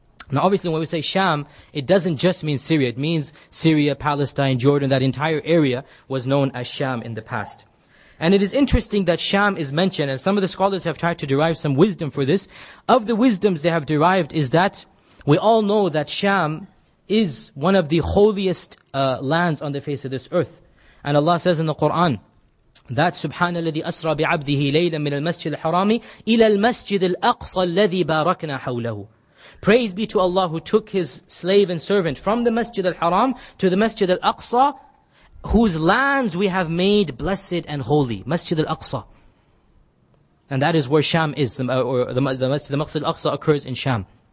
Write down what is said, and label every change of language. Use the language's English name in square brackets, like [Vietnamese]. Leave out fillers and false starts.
[English] Now obviously when we say Sham, it doesn't just mean Syria. It means Syria, Palestine, Jordan, that entire area was known as Sham in the past. And it is interesting that Sham is mentioned, and some of the scholars have tried to derive some wisdom for this. Of the wisdoms they have derived is that we all know that Sham is one of the holiest lands on the face of this earth. And Allah says in the Quran that Subhana [Arabic] الذي أسرى بعبده ليلا من المسجد الحرام إلى المسجد الأقصى الذي باركنا حوله. [English] Praise be to Allah who took his slave and servant from the Masjid al-Haram to the Masjid al-Aqsa, whose lands we have made blessed and holy. Masjid al-Aqsa. And that is where Sham is. The Masjid al-Aqsa occurs in Sham.